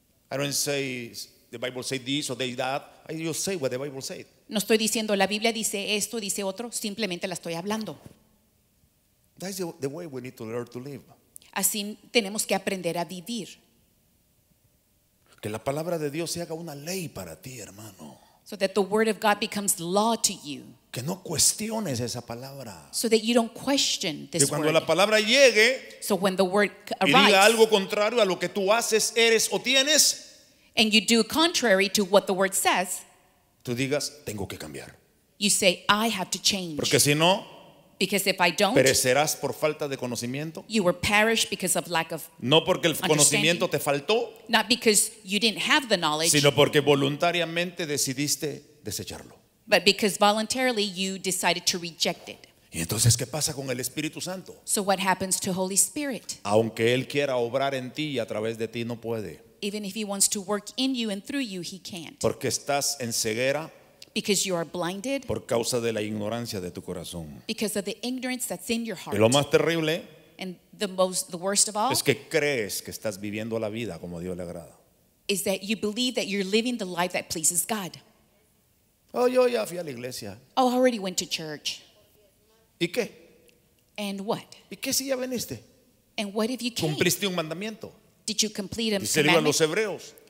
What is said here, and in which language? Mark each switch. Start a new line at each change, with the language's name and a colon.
English: I don't say the Bible said this or they that. I just say what the Bible said.
Spanish: No estoy diciendo la Biblia dice esto, dice otro. Simplemente la estoy hablando.
English: That's the way we need to learn to live.
Spanish: Así tenemos que aprender a vivir. Que la palabra de Dios se haga una ley para ti, hermano.
English: So that the word of God becomes law to you.
Spanish: Que no cuestiones esa palabra.
English: So that you don't question this word.
Spanish: Que cuando
English: word.
Spanish: La palabra llegue,
English: so when the word arrives,
Spanish: y diga algo contrario a lo que tú haces, eres o tienes,
English: and you do contrary to what the word says,
Spanish: tú digas, tengo que cambiar.
English: You say, I have to change.
Spanish: Porque si no,
English: because if I don't,
Spanish: perecerás por falta de conocimiento.
English: You will perish because of lack of
Spanish: no porque el conocimiento te faltó,
English: not because you didn't have the knowledge,
Spanish: sino porque voluntariamente decidiste desecharlo.
English: But because voluntarily you decided to reject it.
Spanish: ¿Y entonces qué pasa con el Espíritu Santo?
English: So what happens to Holy Spirit?
Spanish: Aunque él quiera obrar en ti y a través de ti no puede.
English: Even if he wants to work in you and through you, he can't.
Spanish: Porque estás en ceguera.
English: Because you are blinded.
Spanish: Por causa de la ignorancia de tu corazón.
English: Because of the ignorance that's in your heart.
Spanish: Y lo más terrible,
English: and the worst of all,
Spanish: es que crees que estás viviendo la vida como Dios le agrada.
English: Is that you believe that you're living the life that pleases God.
Spanish: Oh, yo ya fui a la iglesia.
English: Oh, I already went to church.
Spanish: ¿Y qué?
English: And what?
Spanish: ¿Y qué si ya viniste?
English: And what if you came?
Spanish: ¿Cumpliste un mandamiento?
English: Did you complete a commandment?
Spanish: Dice el libro a los Hebreos.